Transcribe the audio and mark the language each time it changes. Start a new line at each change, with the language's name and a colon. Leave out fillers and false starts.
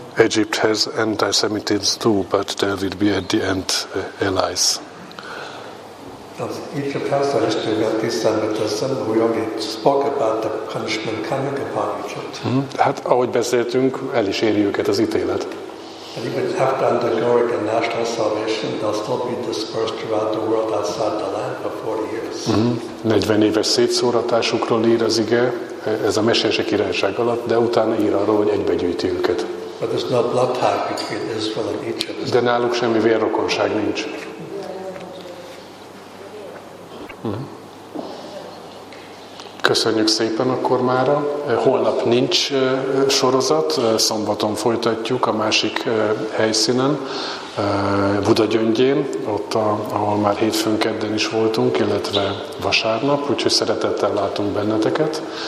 English: Egypt has anti-Semitism too, but there will be at the end allies. Egypt has a history of anti-Semitism. We only spoke about the punishment coming upon Egypt. Mm.
Hungarian: Hát, ahogy beszéltünk, el is éri őket az ítélet.
English: And even after undergoing a national salvation, they'll still be dispersed throughout the world outside the land for 40 years. Mm-hmm.
Hungarian: 40 éves szétszóratásukról ír az ige, ez a mesélse királyság alatt, de utána ír arról, hogy egybegyűjti őket.
English: But there's no blood type between Israel and Egypt.
Hungarian: De náluk semmi vérrokonság nincs. Mm-hmm. Köszönjük szépen akkor mára. Holnap nincs sorozat, szombaton folytatjuk a másik helyszínen, Budagyöngyén, ott, ahol már hétfőn, kedden is voltunk, illetve vasárnap, úgyhogy szeretettel látunk benneteket.